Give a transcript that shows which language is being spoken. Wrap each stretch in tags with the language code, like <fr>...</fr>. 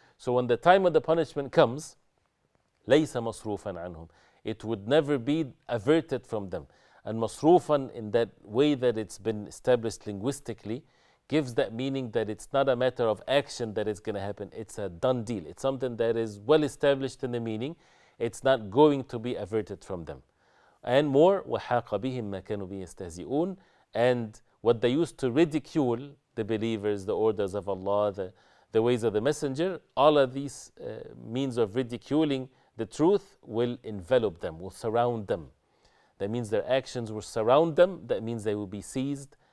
<en>So when the time of the punishment comes, لَيْسَ مَصْرُوفًا عَنْهُمْ, it would never be averted from them. And مَصْرُوفًا, in that way that it's been established linguistically, gives that meaning that it's not a matter of action that it's going to happen. It's a done deal. It's something that is well established in the meaning. It's not going to be averted from them.</en> <ar>And more, وَحَاقَ بِهِمْ مَا كَانُوا بِيَسْتَهْزِئُونَ.</ar> <en>And what they used to ridicule, the believers, the orders of Allah, the, the ways of the messenger, all of these means of ridiculing the truth will envelop them, will surround them. That means their actions will surround them. That means they will be seized.</en>